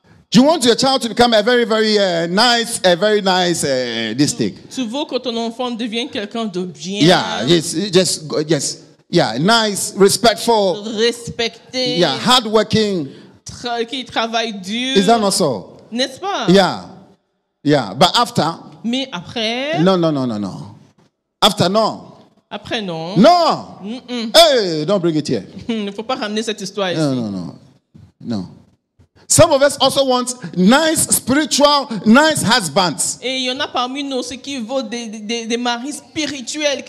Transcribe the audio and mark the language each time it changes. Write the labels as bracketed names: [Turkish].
[English] Do you want your child to become a very, very nice, a very nice this thing? [French] Tu veux que ton enfant devienne quelqu'un de bien? [English] Yeah, yes. Yeah, nice, respectful. [French] Respecté. [English] Yeah, hardworking. [French] Qui travaille dur. [English] Is that not so? [French] N'est-ce pas? [English] Yeah. Yeah, but after. [French] Mais après. [English] No. After, no. [French] Après, non. [English] Non! Hey, don't bring it here. [French] Il ne faut pas ramener cette histoire ici. [English] No. Some of us also want nice, spiritual, nice husbands. [French] Et il y en a parmi nous ceux qui veulent des maris spirituels.